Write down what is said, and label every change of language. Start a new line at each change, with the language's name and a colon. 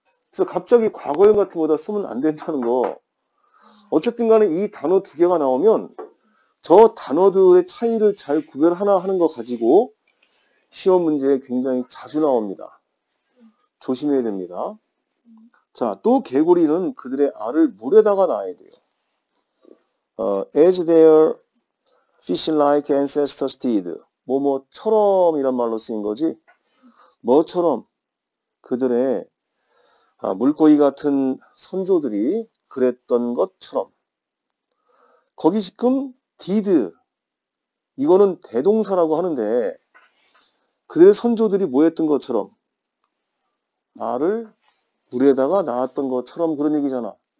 Korean: 그래서 갑자기 과거형 같은 거다 쓰면 안 된다는 거. 어쨌든 간에 이 단어 두 개가 나오면 저 단어들의 차이를 잘 구별하나 하는 거 가지고 시험 문제에 굉장히 자주 나옵니다. 조심해야 됩니다. 자, 또 개구리는 그들의 알을 물에다가 놔야 돼요.
English: As their fish-like ancestors did.
Korean: 뭐뭐처럼 이란 말로 쓰인 거지. 뭐처럼 그들의 물고기 같은 선조들이 그랬던 것처럼. 거기 지금 did. 이거는 대동사라고 하는데 그들의 선조들이 뭐 했던 것처럼 나를 물에다가 낳았던 것처럼 그런 얘기잖아.